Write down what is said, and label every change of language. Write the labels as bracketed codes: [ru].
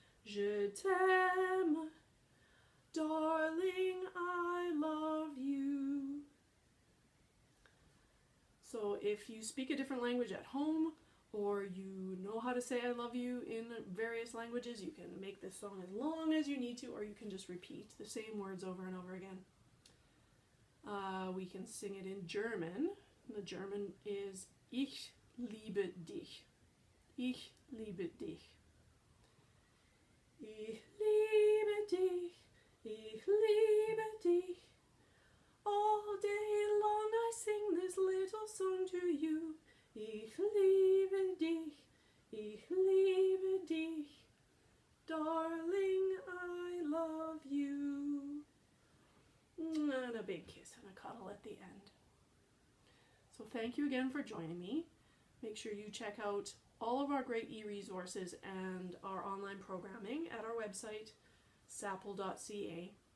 [fr] Je t'aime, [en] darling, I love you. So if you speak a different language at home, or you know how to say I love you in various languages, you can make this song as long as you need to, or you can just repeat the same words over and over again. We can sing it in German. The German is [de] Ich liebe dich. Ich liebe dich. Ich liebe dich, ich liebe dich. [en] All day long I sing this little song to you. [de] Ich liebe dich, ich liebe dich. [en] Darling, I love you. And a big kiss and a cuddle at the end. So thank you again for joining me. Make sure you check out all of our great e-resources and our online programming at our website, sapple.ca.